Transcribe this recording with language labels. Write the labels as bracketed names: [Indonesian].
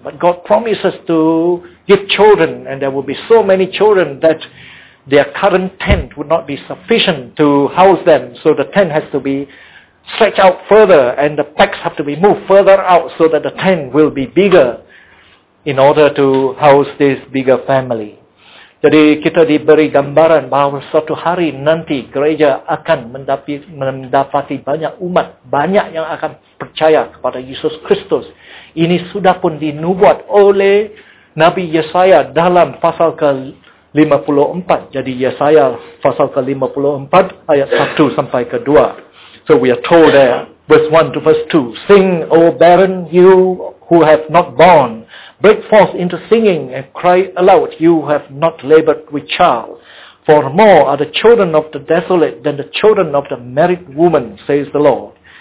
[English] But God promises to give children, and there will be so many children that their current tent would not be sufficient to house them. So the tent has to be stretched out further, and the packs have to be moved further out so that the tent will be bigger in order to house this bigger family. [Indonesian] Jadi kita diberi gambaran bahwa suatu hari nanti gereja akan mendapati banyak umat, banyak yang akan percaya kepada Yesus Kristus. Ini sudah pun dinubuat oleh Nabi Yesaya dalam pasal ke-54. Jadi Yesaya pasal ke-54 ayat 1 sampai ke 2. [English] So we are told there, verse 1 to verse 2, sing, O barren, you who have not born. Break forth into singing and cry aloud, you who have not labored with child. For more are the children of the desolate than the children of the married woman, says the Lord.